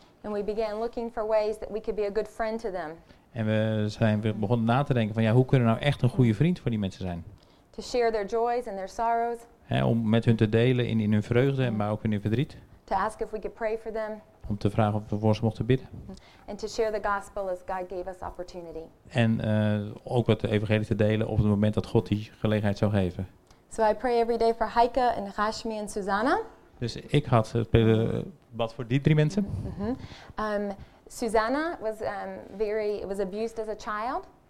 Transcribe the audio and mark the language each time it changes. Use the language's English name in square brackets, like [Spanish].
[English] And we began looking for ways that we could be a good friend to them. [Dutch] En we begonnen na te denken van ja, hoe kunnen we nou echt een goede vriend voor die mensen zijn? [English] To share their joys and their sorrows. [Dutch] Hè, om met hun te delen in hun vreugde, maar ook in hun verdriet. [English] To ask if we could pray for them. [Dutch] Om te vragen of we voor ze mochten bidden. [English] And to share the gospel as God gave us opportunity. [Dutch] En ook het evangelie te delen op het moment dat God die gelegenheid zou geven. [English] So I pray every day for Heike and Rashmi and Susanna. [Dutch] Dus ik had bad voor die drie mensen. Mm-hmm. [English] Susanna was was abused as a child.